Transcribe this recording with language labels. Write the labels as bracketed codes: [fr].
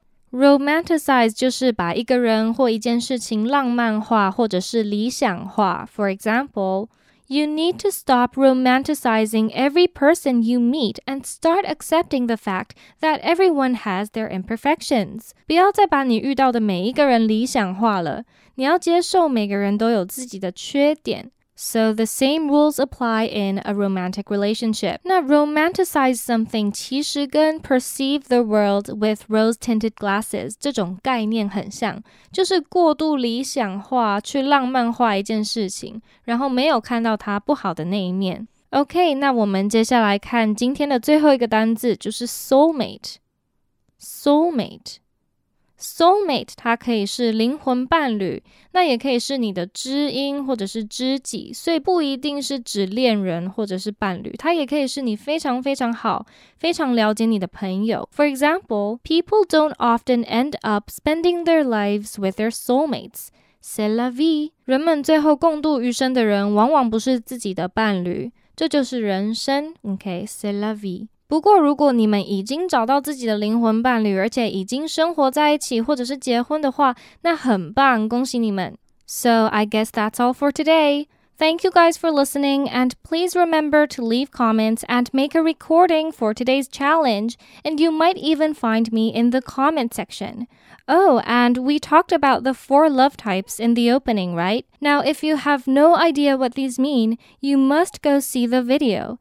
[zh] Romanticize 就是把一个人或一件事情浪漫化或者是理想化。 [en] For example, you need to stop romanticizing every person you meet and start accepting the fact that everyone has their imperfections. [zh] 不要再把你遇到的每一个人理想化了，你要接受每个人都有自己的缺点。 [en] So the same rules apply in a romantic relationship. [zh] 那 [en] romanticize something [zh] 其实跟 [en] perceive the world with rose-tinted glasses [zh] 这种概念很像，就是过度理想化，去浪漫化一件事情，然后没有看到它不好的那一面。 OK, 那我们接下来看今天的最后一个单字，就是 soulmate. [en] Soulmate. [zh] Soulmate 它可以是灵魂伴侣，那也可以是你的知音或者是知己，所以不一定是指恋人或者是伴侣，它也可以是你非常非常好，非常了解你的朋友。 [en] For example, people don't often end up spending their lives with their soulmates. [fr] C'est la vie. [zh] 人们最后共度余生的人往往不是自己的伴侣，这就是人生。 [fr] OK, c'est la vie. [zh] 不过如果你们已经找到自己的灵魂伴侣，而且已经生活在一起或者是结婚的话，那很棒，恭喜你们。 [en] So I guess that's all for today. Thank you guys for listening, and please remember to leave comments and make a recording for today's challenge, and you might even find me in the comment section. Oh, and we talked about the four love types in the opening, right? Now, if you have no idea what these mean, you must go see the video.